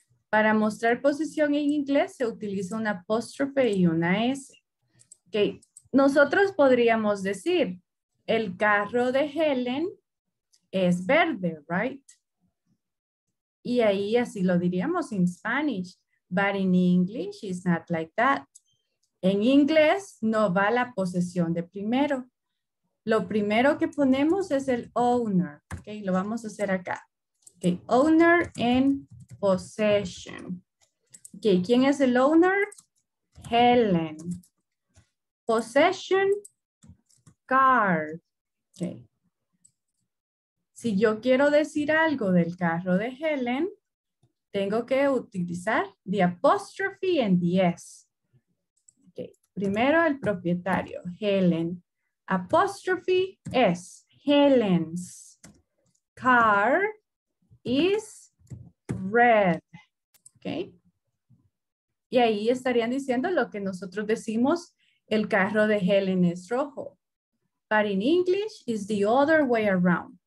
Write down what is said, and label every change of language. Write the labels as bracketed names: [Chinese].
[Spanish] Para mostrar posesión en inglés se utiliza una apóstrofe y una S, okay? Nosotros podríamos decir, el carro de Helen es verde, right? Y ahí así lo diríamos [English] in Spanish, but in English it's not like that. [Spanish] En inglés no va la posesión de primero. Lo primero que ponemos es el owner, ok, lo vamos a hacer acá, ok, [English] owner and possession, [Spanish] ok, ¿quién es el owner? Helen, possession, car, ok, si yo quiero decir algo del carro de Helen, tengo que utilizar [English] the apostrophe and the S, [Spanish] ok, primero el propietario, Helen, apostrophe S, [English] Helen's car is red, [Spanish] ok. Y ahí estarían diciendo lo que nosotros decimos, el carro de Helen es rojo. [English] But in English, it's the other way around.